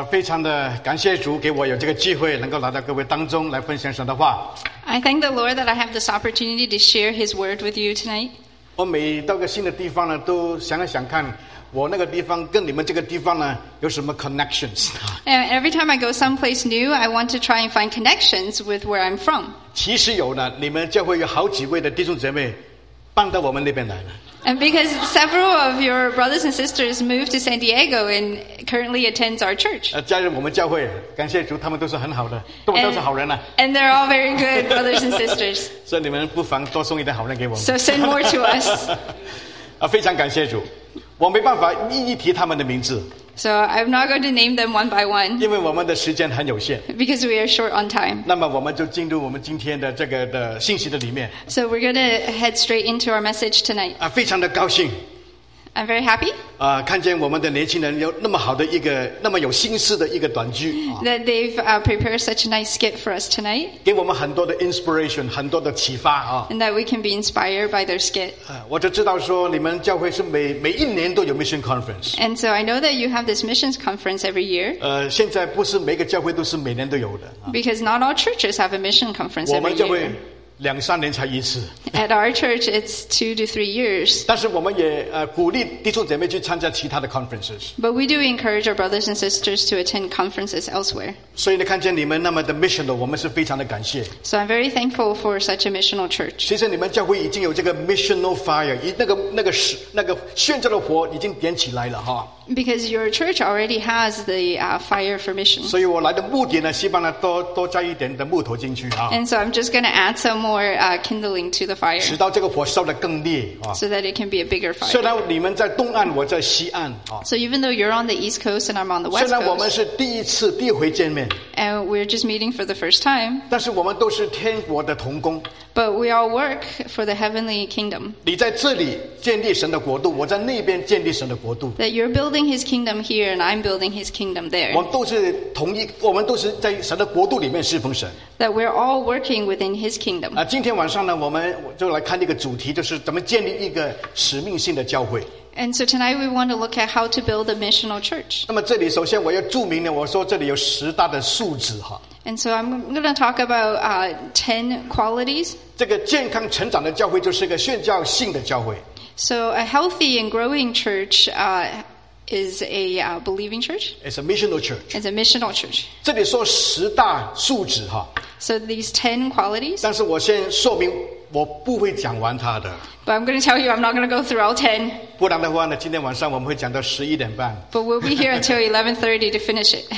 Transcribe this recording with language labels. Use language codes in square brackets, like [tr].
[zh] 非常的感谢主给我有这个机会能够来到各位当中来分享神的话。 [en] I thank the Lord that I have this opportunity to share His word with you tonight. [zh] 我每到个新的地方呢，都想一想看我那个地方跟你们这个地方呢有什么 connections。 [en] And every time I go someplace new, I want to try and find connections with where I'm from. [zh] 其实有呢，你们教会有好几位的弟兄姐妹搬到我们那边来了。 [en] And because several of your brothers and sisters moved to San Diego and currently attends our church. [zh] 加入我们教会，感谢主，他们都是很好的，都是好人呐。 [en] And they're all very good brothers and sisters. [zh] 所以你们不妨多送一点好人给我们。 [en] So send more to us. [zh] 非常感谢主，我没办法一一提他们的名字。 [en] So I'm not going to name them one by one. [zh] 因为我们的时间很有限。 [en] Because we are short on time. [zh] 那么我们就进入我们今天的这个的信息的里面。 [en] So we're going to head straight into our message tonight. [zh] 非常的高兴。 [en] I'm very happy. [zh] 看见我们的年轻人有那么好的一个，那么有心思的一个短句。 [en] That they've prepared such a nice skit for us tonight. [zh] 给我们很多的 inspiration, 很多的启发啊。 [en] And that we can be inspired by their skit. [zh] 我就知道说你们教会是每一年都有 mission conference. [en] And so I know that you have this missions conference every year. [zh] 现在不是每个教会都是每年都有的。 [en] Because not all churches have a mission conference every year. [zh] 我们教会两三年才一次。 [en] At our church, it's 2 to 3 years. [zh] 但是我们也鼓励弟兄姐妹去参加其他的 conferences. [en] But we do encourage our brothers and sisters to attend conferences elsewhere. [zh] 所以呢，看见你们那么的 missional， 我们是非常的感谢。 [en] So I'm very thankful for such a missional church. [zh] 其实你们教会已经有这个 missional fire， 那个宣教的火已经点起来了哈。 [en] Because your church already has the fire for mission. [zh] 所以我来的目的呢，希望呢多加一点的木头进去啊。 [en] And so I'm just going to add some more kindling to the fire. [zh] 使到这个火烧得更烈啊。 [en] So that it can be a bigger fire. [zh] 虽然你们在东岸，我在西岸啊。 [en] So even though you're on the east coast and I'm on the west coast. [zh] 虽然我们是第一回见面。 [en] And we're just meeting for the first time. [zh] 但是我们都是天国的同工。 [en] But we all work for the heavenly kingdom. [zh] 你在这里建立神的国度，我在那边建立神的国度。 [en] That you're building His kingdom here, and I'm building His kingdom there. [zh] 我们都是在神的国度里面侍奉神。 [en] That we're all working within His kingdom. [zh] 今天晚上呢，我们就来看一个主题，就是怎么建立一个使命性的教会。 [en] And so tonight we want to look at how to build a missional church. [zh] 那么这里首先我要注明呢，我说这里有十大的素质哈。 [en] And so I'm going to talk about 10 qualities. [zh] 这个健康成长的教会就是一个宣教性的教会。 [en] So a healthy and growing church is a believing church. It's a missional church. It's a missional church. [zh] 这里说十大素质哈。 [en] So these 10 qualities. [zh] 但是我先说明我不会讲完它的。 [en] But I'm going to tell you I'm not going to go through all 10. [zh] 不然的话呢，今天晚上我们会讲到11点半。 [en] But we'll be here until 11:30 to finish it.